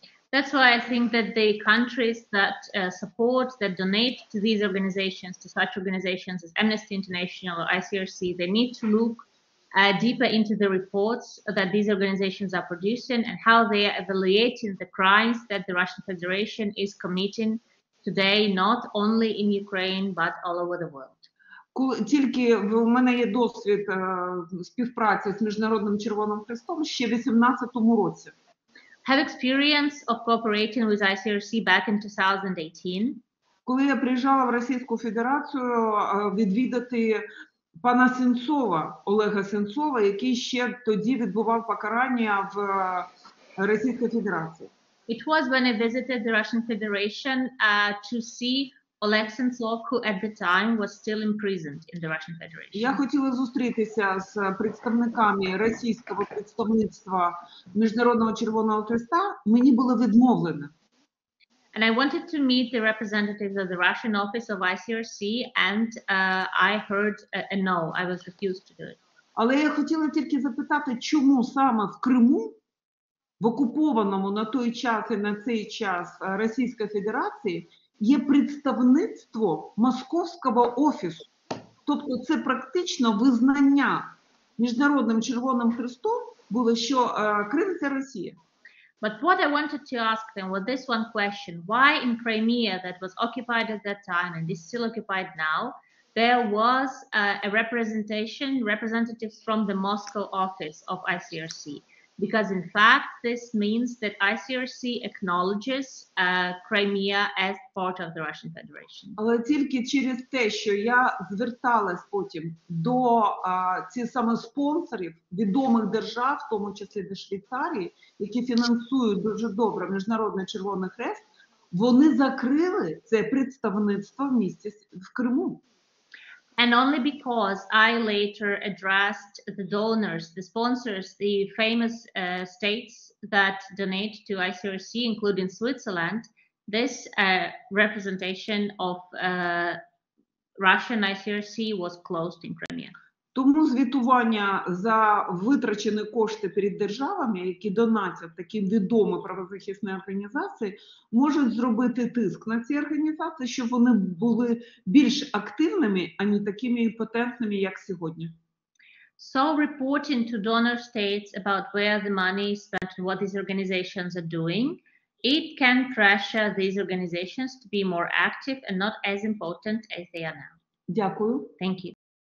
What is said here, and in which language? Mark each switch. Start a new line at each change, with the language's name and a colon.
English: That's why I think that the countries that support, that donate to these organizations, to such organizations as Amnesty International or ICRC, they need to look deeper into the reports that these organizations are producing and how they are evaluating the crimes that the Russian Federation is committing today, not only in Ukraine, but all over the world.
Ukrainian: Тільки в мене є досвід співпраці з Міжнародним Червоним Хрестом ще в 18-му році.
English: Have experience of cooperating with ICRC back in 2018.
Ukrainian: Коли я приїжджала в Російську Федерацію відвідати пана Сенцова, Олега Сенцова, який ще тоді відбував покарання в Російській Федерації.
English: It was when I visited the Russian Federation to see Oleg Sentsov, who at the time was still imprisoned in the Russian Federation.
Ukrainian: Я хотіла зустрітися з представниками російського представництва Міжнародного Червоного Хреста. Мені було відмовлено.
English: And I wanted to meet the representatives of the Russian office of ICRC, and I heard a no, I was refused to do it.
Ukrainian: Але я хотіла тільки запитати, чому саме в Криму, в окупованому на той час і на цей час Російської Федерації, є представництво московського офісу. Тобто це практично визнання Міжнародним Червоним Хрестом було, що Крим – це Росія.
English: But what I wanted to ask them was this one question. Why in Crimea that was occupied at that time and is still occupied now, there was a representation, representatives from the Moscow office of ICRC? Because in fact, this means that ICRC acknowledges Crimea as part of the Russian Federation.
Ukrainian: Але тільки через те, що я зверталась потім до цих самих спонсорів, відомих держав, в тому числі до Швейцарії, які фінансують дуже добре Міжнародний Червоний Хрест, вони закрили це представництво в місті в Криму.
English: And only because I later addressed the donors, the sponsors, the famous states that donate to ICRC, including Switzerland, this representation of Russian ICRC was closed in Crimea.
Ukrainian: Тому звітування за витрачені кошти перед державами, які донатять такі відомі правозахисні організації, можуть зробити тиск на ці організації, щоб вони були більш активними, а не такими імпотентними, як сьогодні.
English: So reporting to donor states about where the money is spent and what these organizations are doing, it can pressure these organizations to be more active and not as important as they are now.
Ukrainian: Дякую.
English: Thank you.